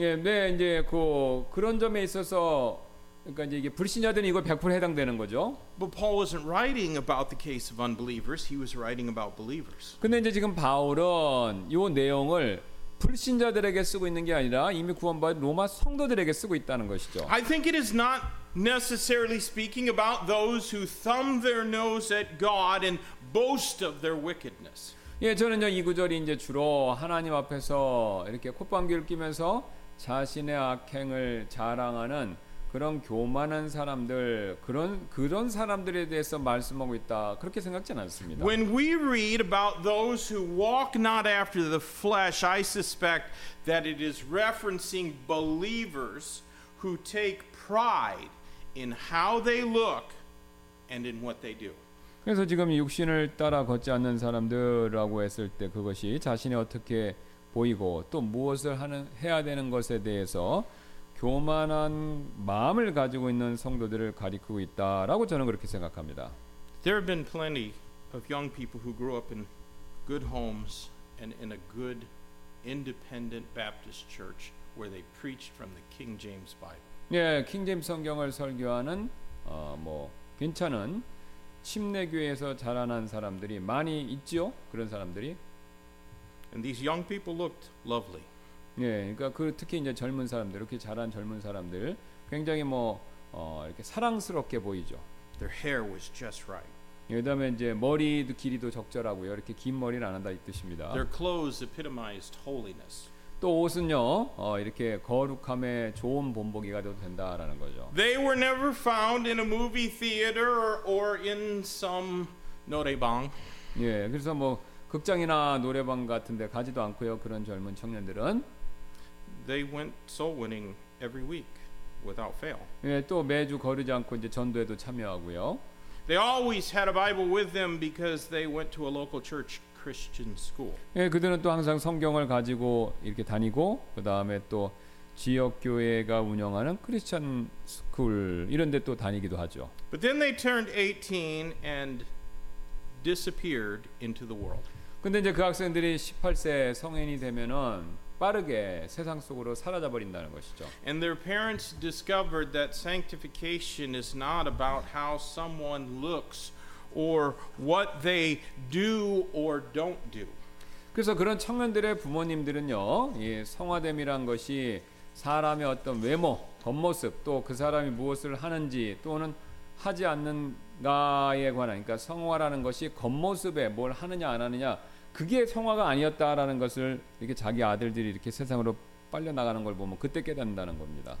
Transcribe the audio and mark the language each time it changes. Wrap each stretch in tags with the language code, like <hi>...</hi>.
<ko>예, 네, 이제 그 그런 점에 있어서 그러니까 이게 불신자들은 이거 100% 해당되는 거죠.</ko> <en>But Paul wasn't writing about the case of unbelievers. He was writing about believers.</en> <ko>근데 이제 지금 바울은 이 내용을 불신자들에게 쓰고 있는 게 아니라 이미 구원받은 로마 성도들에게 쓰고 있다는 것이죠.</ko> <en>I think it is not necessarily speaking about those who thumb their nose at God and boast of their wickedness.</en> <ko>예, 저는요 이 구절이 이제 주로 하나님 앞에서 이렇게 콧방귀를 끼면서 자신의 악행을 자랑하는 그런 교만한 사람들 그런 사람들에 대해서 말씀하고 있다 그렇게 생각지는 않습니다.</ko> <en>When we read about those who walk not after the flesh, I suspect that it is referencing believers who take pride in how they look and in what they do.</en> <ko>그래서 지금 육신을 따라 걷지 않는 사람들라고 했을 때 그것이 자신이 어떻게 보이고 또 무엇을 하는 해야 되는 것에 대해서. 교만한 마음을 가지고 있는 성도들을 가리키고 있다라고 저는 그렇게 생각합니다.</ko> <en>There have been plenty of young people who grew up in good homes and in a good independent Baptist church where they preached from the King James Bible.</en> <ko>예, 킹제임스 성경을 설교하는 뭐 괜찮은 침례교회에서 자라난 사람들이 많이 있죠. 그런 사람들이.</ko> <en>And these young people looked lovely.</en> <ko>예, 그러니까 그 특히 이제 젊은 사람들, 이렇게 자란 젊은 사람들 굉장히 뭐 이렇게 사랑스럽게 보이죠.</ko> <en>Their hair was just right.</en> <ko>예, 그다음에 이제 머리도 길이도 적절하고요. 이렇게 긴 머리를 안 한다 이 뜻입니다.</ko> <en>Their clothes epitomized holiness.</en> <ko>또 옷은요. 이렇게 거룩함의 좋은 본보기가 되어도 된다라는 거죠.</ko> <en>They were never found in a movie theater or in some 노래방.</en> <ko>예, 그래서 뭐 극장이나 노래방 같은 데 가지도 않고요. 그런 젊은 청년들은</ko> <en>they went soul winning every week without fail.</en> <ko>예, 또 매주 거르지 않고 이제 전도에도 참여하고요.</ko> <en>They always had a Bible with them because they went to a local church Christian school.</en> <ko>예, 그들은 또 항상 성경을 가지고 이렇게 다니고 그다음에 또 지역 교회가 운영하는 크리스천 스쿨 이런 데 또 다니기도 하죠.</ko> <en>But then they turned 18 and disappeared into the world.</en> <ko>근데 이제 그 학생들이 18세 성인이 되면은 빠르게 세상 속으로 사라져 버린다는 것이죠.</ko> <en>And their parents discovered that sanctification is not about how someone looks or what they do or don't do.</en> <ko>그래서 그런 청년들의 부모님들은요, 이 성화됨이란 것이 사람의 어떤 외모, 겉모습 또 그 사람이 무엇을 하는지 또는 하지 않는가에 관한, 그러니까 성화라는 것이 겉모습에 뭘 하느냐 안 하느냐 그게 성화가 아니었다라는 것을 이렇게 자기 아들들이 이렇게 세상으로 빨려 나가는 걸 보면 그때 깨닫는다는 겁니다.</ko>